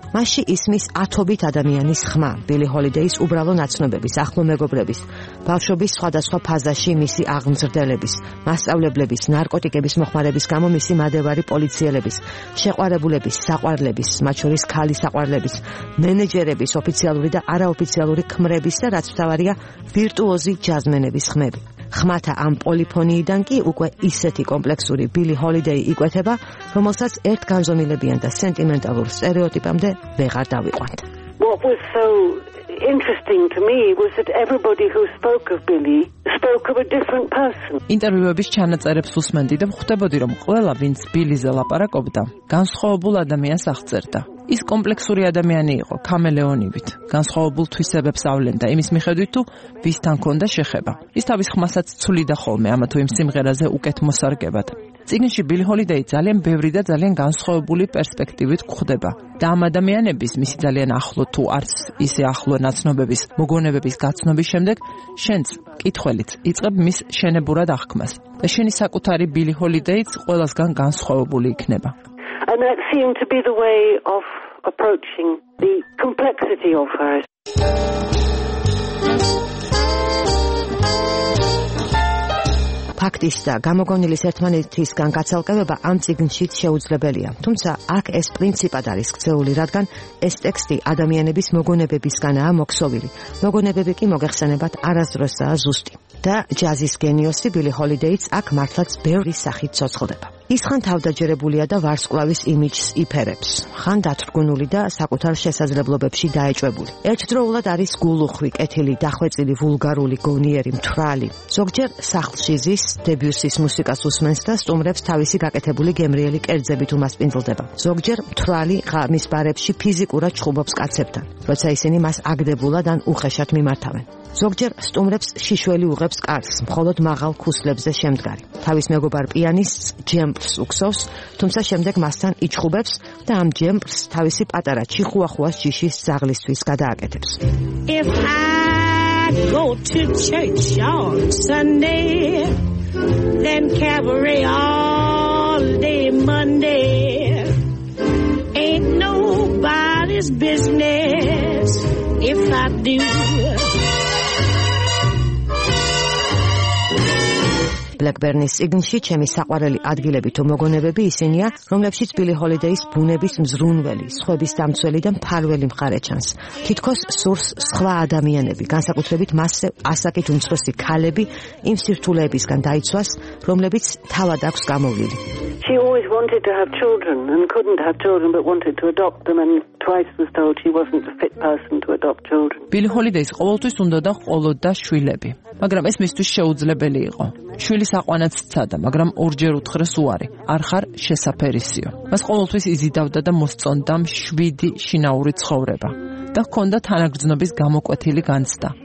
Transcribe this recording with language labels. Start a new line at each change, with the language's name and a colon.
Georgian: მასში ისმის ათობით ადამიანის ხმა, ბილი ჰოლიდეის უბრალო ნაცნობების, ახლო მეგობრების, ბავშვობის სხვადასხვა ფაზაში მისი აღმზრდელების, მასწავლებლების, ნარკოტიკების მოხმარების გამო მისი მადევარი პოლიციელების, შეყვარებულების, საყვარლების, მათ შორის ქალის საყვარლების, მენეჯერების ოფიციალური და არაოფიციალური ხმების და რაც მთავარია, ვირტუოზი ჯაზმენების ხმები. ხმათა ამ პოლიფონიიდან კი უკვე ისეთი კომპლექსური ბილი ჰოლიდეი იკვეთება, რომელსაც ერთ განზომილებიან და სენტიმენტალურ სტერეოტიპამდე ვეღარ დავიყვანთ.
English: What was so interesting to me was that everybody who spoke of Billy spoke of a different person.
Georgian: ინტერვიუების ჩანაწერებს უსმენდი და ხვდებოდი, რომ ყველა, ვინც ბილიზე ლაპარაკობდა, განსხვავებულ ადამიანს აღწერდა. ის კომპლექსური ადამიანი იყო, ქამელეონივით, განსხვავებულ თვისებებს ავლენდა იმის მიხედვით, თუ ვისთან ჰქონდა შეხება. ის თავის ხმასაც ცვლიდა ხოლმე ამა თუ იმ სიმღერაზე უკეთ მოსარგებად. წიგნში ბილი ჰოლიდეი ძალიან ბევრი და ძალიან განსხვავებული პერსპექტივით გვხვდება. და ამ ადამიანების, მისი ძალიან ახლო თუ არც ისე ახლო ნაცნობების, მოგონებების გაცნობის შემდეგ, შენც კითხველიც იწყებ მის შენებურად აღქმას. და შენი საკუთარი ბილი ჰოლიდეიც ყველასგან განსხვავებული იქნება.
English: And that seemed to be the way of approaching the complexity of her.
Georgian: ფაქტის და გამოგონილის ერთმანეთისგან გაცალკევება ამ წიგნში შეუძლებელია. თუმცა აქ ეს პრინციპად არის გრძეული, რადგან ეს ტექსტი ადამიანების მოგონებებისგანაა მოქსოვილი. მოგონებები კი მოგეხსენებათ არასდროსაა ზუსტი. და ჯაზის გენიოსი ბილი ჰოლიდეიც აქ მართლაც ბევრი სახით ცოცხლდება. ის ხან თავდაჯერებულია და ვარსკვლავის იმიჯს იფერებს, ხან დათრგუნული და საკუთარ შესაძლებლობებში დაეჭვებული. ერთდროულად არის გულუხვი, კეთილი, დახვეწილი, ვულგარული, გონიერი, მთვრალი. ზოგჯერ სახლში ზის, დებიუსის მუსიკას უსმენს და სტუმრებს თავისი გაკეთებული გემრიელი კერძებით უმასპინძლდება. ზოგჯერ მთვრალი ღამის ბარებში ფიზიკურად ჩხუბობს კაცებთან, როცა ისინი მას აგდებულად ან უხეშად მიმართავენ. ზოგჯერ სტუმრებს შიშველი უღებს კარს, მხოლოდ მაღალ ქუსლებზე შემდგარი. თავის მეგობარ პიანისტს ჯემპს უქსოვს, თუმცა შემდეგ მასთან იჩხუბებს და ამ ჯემპს თავისი პატარა ჩიხუახუას ჯიშის ძაღლისთვის გადააკეთებს.
English: If I go to church on Sunday, then cavalry all day Monday. Ain't nobody's business if I do.
Georgian: Blackburnის წიგნში ჩემი საყვარელი ადგილები თუ მოგონებები ისინია, რომლებშიც ბილი ჰოლიდეის ბუნების მზრუნველი, სხვების დამცველი და მფარველი მხარე ჩანს. თითქოს სურს სხვა ადამიანები, განსაკუთრებით მასზე ასაკით უმცროსი ქალები, იმ სირთულეებისგან დაიცვას, რომლებიც თავად აქვს გამოვლილი.
English: She always wanted to have children and couldn't have children but wanted to adopt them and twice was told she wasn't a fit person to adopt children.
Georgian: ბილი ჰოლიდეის ყოველთვის უნდა და ყოლოდა შვილები, მაგრამ ეს მისთვის შეუძლებელი იყო. შვილი საყვანაც ცადა, მაგრამ ორჯერ უთხრეს უარი, არ ხარ შესაფერისიო. მას ყოველთვის იზიდავდა და მოსწონდა შვიდი შინაური ცხოვრება და ჰქონდა თანაგრძნობის გამოკვეთილი განცდა.